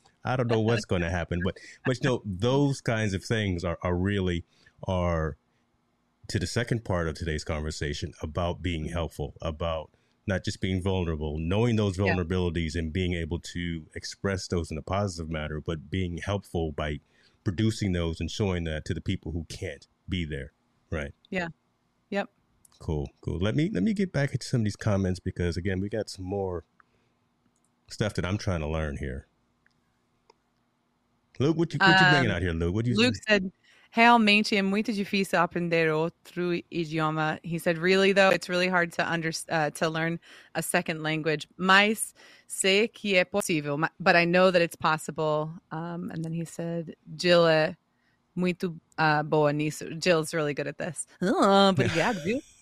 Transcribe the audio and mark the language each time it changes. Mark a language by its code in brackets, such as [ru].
[en] I don't know what's going to happen, but you know, those kinds of things are really to the second part of today's conversation, about being helpful, about not just being vulnerable, knowing those vulnerabilities and being able to express those in a positive manner, but being helpful by producing those and showing that to the people who can't be there. Right. Yeah. Yep. Cool. Let me get back to some of these comments, because again, we got some more stuff that I'm trying to learn here. Luke, what you bringing out here, Luke? What do you Luke say? Said, "Hey, [pt] almente, é muito difícil aprender outro idioma." [en] He said, "Really though, it's really hard to learn a second language. [pt] Mas sei que é possível, [en] but I know that it's possible." And then he said, "Jill [pt] é muito boa nisso." [en] Jill's really good at this. But yeah, dude.